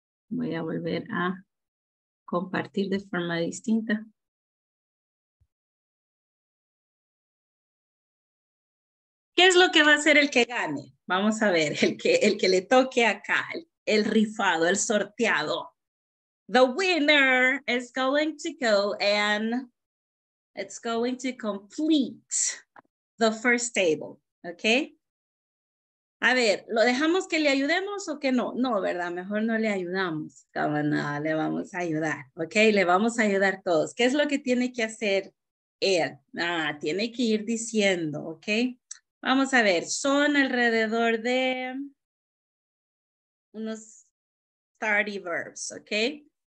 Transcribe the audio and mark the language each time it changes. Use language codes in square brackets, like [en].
[es] Voy a volver a compartir de forma distinta. ¿Qué es lo que va a hacer el que gane? Vamos a ver, el que le toque acá, el rifado, el sorteado. [en] The winner is going to go and... It's going to complete the first table, okay? [es] A ver, ¿lo dejamos que le ayudemos o que no? No, ¿verdad? Mejor no le ayudamos. Como no, le vamos a ayudar, okay? Le vamos a ayudar todos. ¿Qué es lo que tiene que hacer él? Ah, tiene que ir diciendo, okay? Vamos a ver, son alrededor de unos 30 verbs, okay?